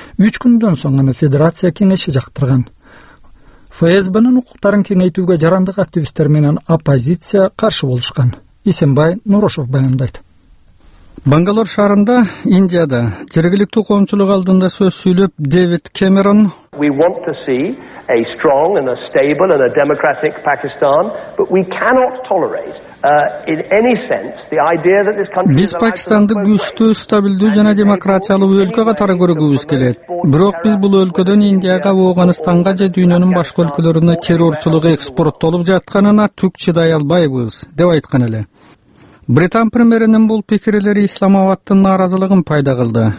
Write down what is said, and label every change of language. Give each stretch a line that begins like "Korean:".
Kyrgyz: 3 күндөн соң аны Федерация кеңеши жактырган. ФСБнын укуктарын кеңейтүүгө жарандык активисттер менен оппозиция каршы болушкан. Исенбай Нурошев баяндайт. Бангалор шаарында, Индияда жергиликтүү коомчулук алдында сөз сүйлөп Дэвид Кэмерон
English: We want to see a strong and a stable and a democratic Pakistan, but we cannot tolerate in any sense the idea that this country
Kyrgyz: Биз Пакистанды күчтүү, стабилдүү жана демократиялуу өлкө катары көргүбүз келет. Бирок биз бул өлкөдөн Индияга, Афганистанга же дүйнөнүн башка өлкөлөрүнө террорчулук экспортолуп жатканына түк чыдай албайбыз деп айткан эле. Британ премьеринин бул пикирлери Исламабадтын нааразылыгын пайда кылды.